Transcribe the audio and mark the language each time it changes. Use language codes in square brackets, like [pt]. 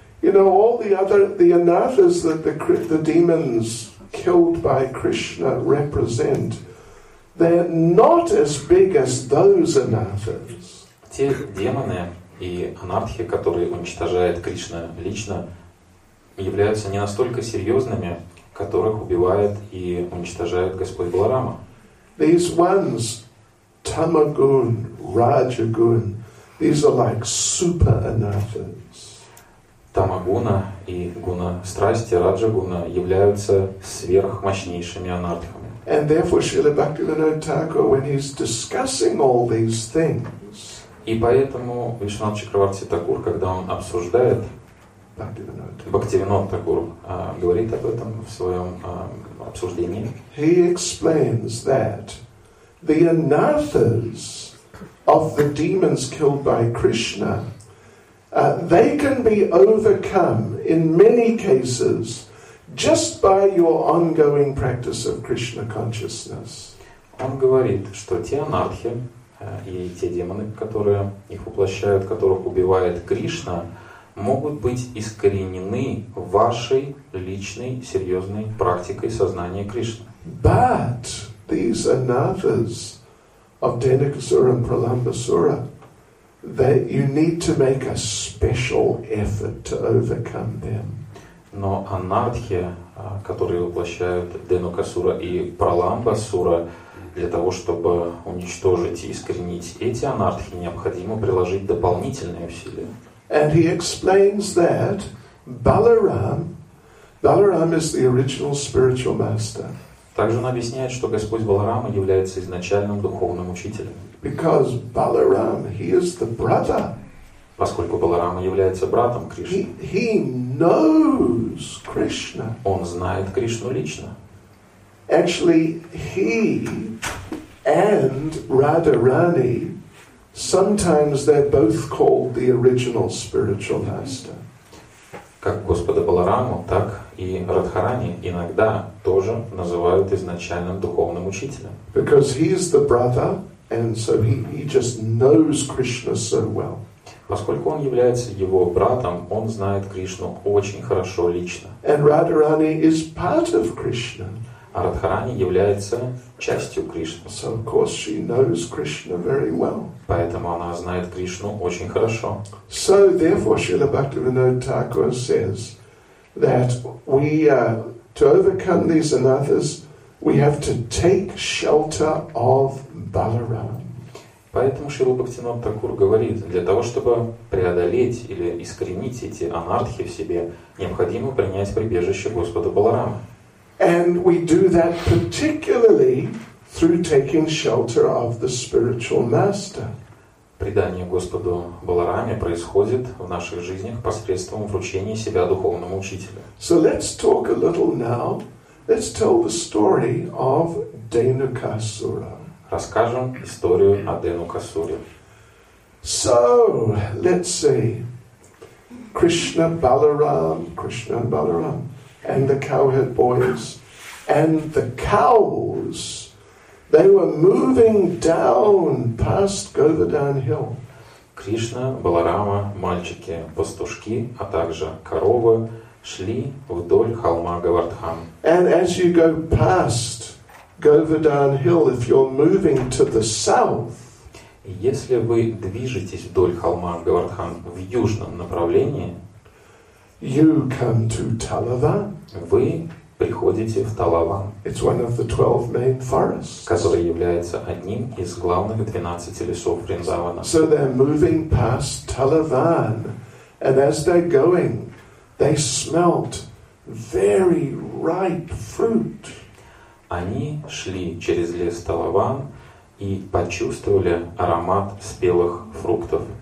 [en] You know, all the other, the anathas that the demons killed by Krishna represent, they're not as big as those anathas. [ru] Те демоны и анатхи, которые уничтожает Кришна лично, являются не настолько серьезными, которых убивает и уничтожает Господь Баларама. [en] These ones, Tamagun, Rajagun, these are like super anathas. [ru] Тамагуна и гуна страсти, Раджагуна, являются сверхмощнейшими анатхами. [en] And therefore, Srila Bhaktivinoda Thakur, when he's discussing all these things, [ru] и поэтому Вишванат Чакраварти Тхакур, когда он обсуждает Бхактивинода Тхакур, говорит об этом в своем обсуждении. [en] He explains that the anathas of the demons killed by Krishna, they can be overcome in many cases. Just by your ongoing practice of Krishna consciousness. [ru] Он говорит, что те анатхи и те демоны, которые их воплощают, которых убивает Кришна, могут быть искоренены вашей личной серьезной практикой сознания Кришны. [en] But these anathas of Denukasura and Pralambasura, that you need to make a special effort to overcome them. [ru] Но анатхи, которые воплощают Денукасура и Праламбасура, для того, чтобы уничтожить и искоренить эти анатхи, необходимо приложить дополнительные усилия. [en] And he explains that Balaram is the original spiritual master. [ru] Также он объясняет, что Господь Баларама является изначальным духовным учителем. [en] Because Balaram, he is the brother. [ru] Поскольку Баларама является братом Кришны. [en] He knows Krishna. [ru] Он знает Кришну лично. [en] Actually, he and Radharani, sometimes they're both called the original spiritual master. [ru] Как Господа Баларама, так и Радхарани иногда тоже называют изначальным духовным учителем. [en] Because he is the brother, and so he just knows Krishna so well. [ru] Поскольку он является его братом, он знает Кришну очень хорошо лично. [en] And Radharani is part of Krishna. [ru] А Радхарани является частью Кришны. [en] So of course she knows Krishna very well. [ru] Поэтому она знает Кришну очень хорошо. [en] So therefore Srila Bhaktivinoda Thakur says that we to overcome these anathas, We have to take shelter of Balarama. [ru] Поэтому Шрила Бхактинат Такур говорит, для того, чтобы преодолеть или искоренить эти анардхи в себе, необходимо принять прибежище Господа Баларамы. [en] And we do that particularly through taking shelter of the spiritual master. [ru] Предание Господу Балараме происходит в наших жизнях посредством вручения себя духовному учителю. [en] So let's talk a little now. Let's tell the story of Deinukasura. [ru] Расскажем историю о Деинукасуре. [en] So, let's see. Krishna and Balaram, and the cowherd boys, and the cows, they were moving down past Govardhan Hill. [ru] Кришна, Баларама, мальчики, пастушки, а также коровы шли вдоль холма Говардхан. [en] And as you go past Govardhan Hill, if you're moving to the south, [ru] если вы движетесь вдоль холма Говардхан в южном направлении, [en] you come to Talavan. [ru] Вы приходите в Талаван. [en] It's one of the 12 main forests, [ru] который является одним из главных 12 лесов Вриндавана. [en] So they're moving past Talavan, and as they're going, they smelt very ripe fruit. [ru] Они шли через лес Талаван и почувствовали аромат спелых фруктов.